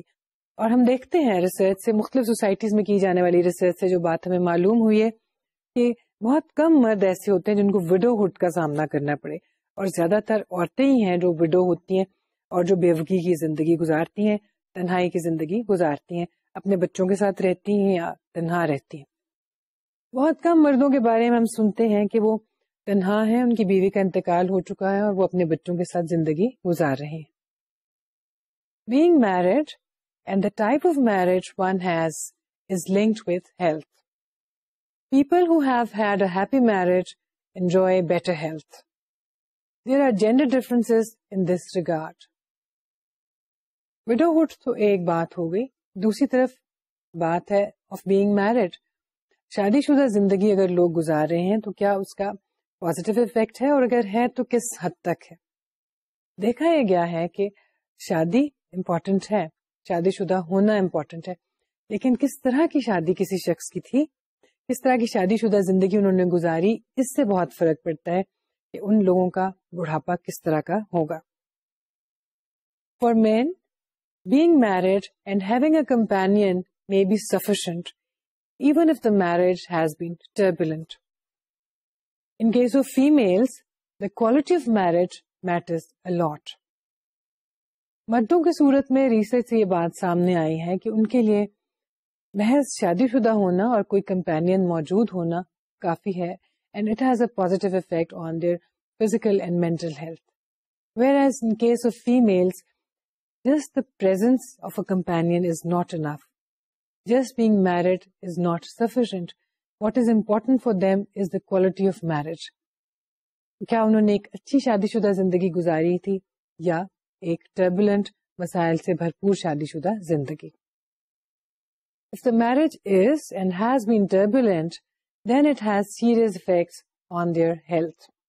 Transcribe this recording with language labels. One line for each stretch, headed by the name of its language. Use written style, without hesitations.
Urdu: اور ہم دیکھتے ہیں ریسرچ سے, مختلف سوسائٹیز میں کی جانے والی ریسرچ سے جو بات ہمیں معلوم ہوئی ہے کہ بہت کم مرد ایسے ہوتے ہیں جن کو وڈو ہڈ کا سامنا کرنا پڑے, اور زیادہ تر عورتیں ہی ہیں جو وڈو ہوتی ہیں اور جو بیوگی کی زندگی گزارتی ہیں, تنہائی کی زندگی گزارتی ہیں, اپنے بچوں کے ساتھ رہتی ہیں یا تنہا رہتی ہیں. بہت کم مردوں کے بارے میں ہم سنتے ہیں کہ وہ تنہا ہے, ان کی بیوی کا انتقال ہو چکا ہے اور وہ اپنے بچوں کے ساتھ زندگی گزار رہے ہیں.
English: Being married and the type of marriage one has is linked with health. People who have had a happy marriage enjoy better health. There are gender differences in this regard.
Urdu: Widowhood تو ایک بات ہو گئی, دوسری طرف بات ہے
English: of being married.
Urdu: شادی شدہ زندگی اگر لوگ گزار رہے ہیں تو کیا اس کا پازیٹو افیکٹ ہے اور اگر ہے تو کس حد تک ہے. دیکھا یہ گیا ہے کہ شادی امپورٹنٹ ہے, شادی شدہ ہونا امپورٹنٹ ہے, لیکن کس طرح کی شادی کسی شخص کی تھی, کس طرح کی شادی شدہ زندگی انہوں نے گزاری, اس سے بہت فرق پڑتا ہے کہ ان لوگوں کا بڑھاپا کس طرح کا ہوگا.
English: For men being married and having a companion may be sufficient even if the marriage has been turbulent. In case of females the quality of marriage matters a lot.
Urdu: مردوں کی صورت میں ریسرچ سے یہ بات سامنے آئی ہے کہ ان کے لیے محض شادی شدہ ہونا اور کوئی کمپینین موجود ہونا کافی ہے
English: And it has a positive effect on their physical and mental health. Whereas in case of females just the presence of a companion is not enough, just being married is not sufficient. What is important for them is the quality of marriage.
Urdu: کیا انہوں نے ایک اچھی شادی شدہ زندگی گزاری تھی یا ایک ٹربلنٹ مسائل سے بھرپور شادی شدہ زندگی.
English: If the marriage is and has been turbulent, then it has serious effects on their health.